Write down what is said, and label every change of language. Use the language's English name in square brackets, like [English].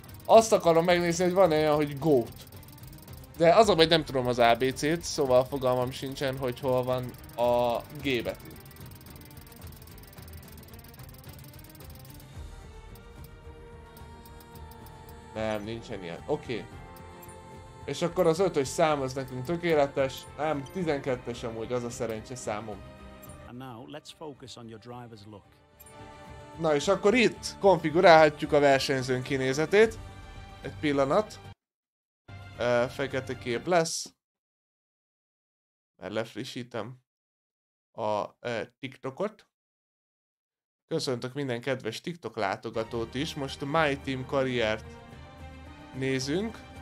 [Hungarian] Azt akarom megnézni, hogy van-e olyan, hogy Goat. De azon, hogy nem tudom az ABC-t, szóval fogalmam sincsen, hogy hol van a G betű. Nem, nincsen ilyen. Oké. És akkor az ötös szám az nekünk tökéletes. Nem, 12-es amúgy az a szerencse számom. [English] And now, let's focus on your driver's look. [Hungarian] Na és akkor itt konfigurálhatjuk a versenyzőn kinézetét. Egy pillanat. Fekete kép lesz. Mert lefrissítem a TikTokot. Köszöntök minden kedves TikTok látogatót is. Most a My Team karriert nézünk.